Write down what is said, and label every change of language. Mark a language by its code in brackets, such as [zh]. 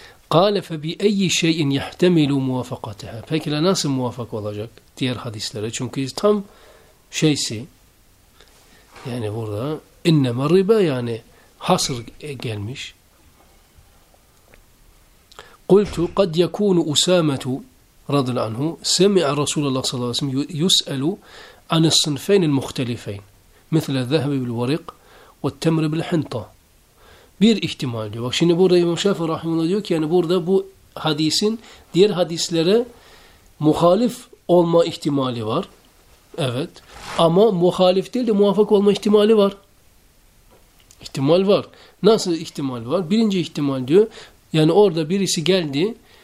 [ar] قال فبأي شيء يحتمل موافقتها فكلا ناس [tr] موافق olacak diğer hadislere çünkü tam şeysi yani burada innema riba yani hasr gelmiş. [ar] قلت قد يكون أسامة رضي الله عنه سمع رسول الله صلى الله عليه وسلم يسأل عن الصنفين المختلفين مثل الذهب بالورق والتمر بالحنطة. [tr] Bir ihtimal diyor. Bak şimdi burada İmam Şafii rahimehullah diyor ki yani burada bu hadisin diğer hadislere muhalif olma ihtimali var. Evet. Ama muhalif değil de muvafık olma ihtimali var. İhtimal var. Nasıl ihtimal var? Birinci ihtimal diyor. Yani orada birisi geldi.